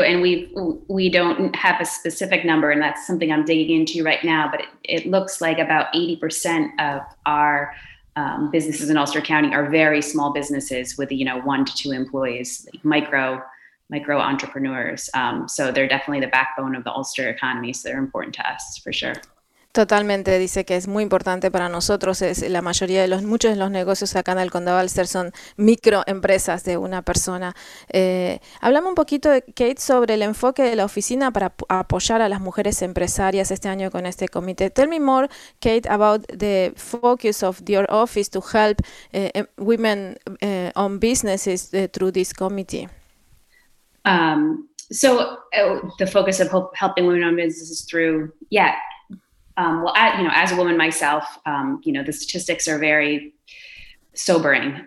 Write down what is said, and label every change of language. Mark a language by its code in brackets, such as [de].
[en] And we don't have a specific number, and that's something I'm digging into right now, but it looks like about 80% of our businesses in Ulster County are very small businesses with, you know, one to two employees, like micro entrepreneurs. So they're definitely the backbone of the Ulster economy. So they're important to us for sure. [es] Totalmente, dice que es muy importante para nosotros, es la mayoría de los, muchos de los negocios acá en el condado de Ulster son microempresas de una persona. Hablamos un poquito, de Kate, sobre el enfoque de la oficina para apoyar a las mujeres empresarias este año con este comité. [en] Tell me more, Kate, about the focus of your office to help women own businesses through this committee. The focus of helping women-owned businesses through, as a woman myself, the statistics are very sobering.